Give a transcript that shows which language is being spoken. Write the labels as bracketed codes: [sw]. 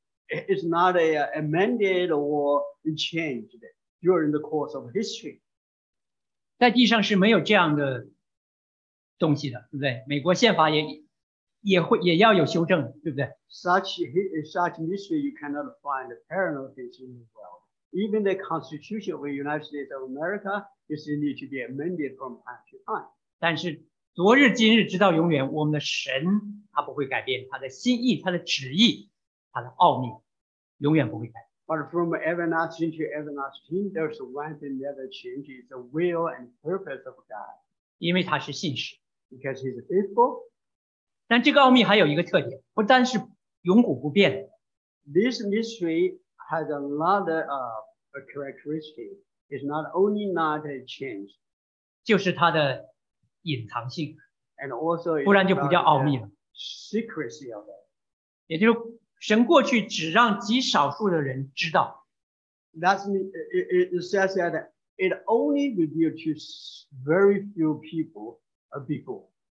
[en] It's not amended or changed during the course of history. [zh] 在地上是没有这样的东西的，对不对？美国宪法也要有修正，对不对？ [en] Such mystery you cannot find parallels in the world. Even the Constitution of the United States of America is needed to be amended from time to time. [zh] 但是昨日今日直到永远，我们的神他不会改变他的心意，他的旨意，他的奥秘永远不会改变。 [en] But from everlasting to everlasting, there's one thing never changes, the will and purpose of God. [zh] 因为他是信实。 [en] Because he's faithful. [zh] 但这个奥秘还有一个特点，不单是永古不变。 [en] This mystery has another characteristic. It's not only not a change. [zh] 就是他的隐藏性， [en] and also [zh] 不然就不叫奥秘了。 [en] Secrecy of it. [zh] 也就是神过去只让极少数的人知道。 [en] That's it says that it only revealed to very few people before.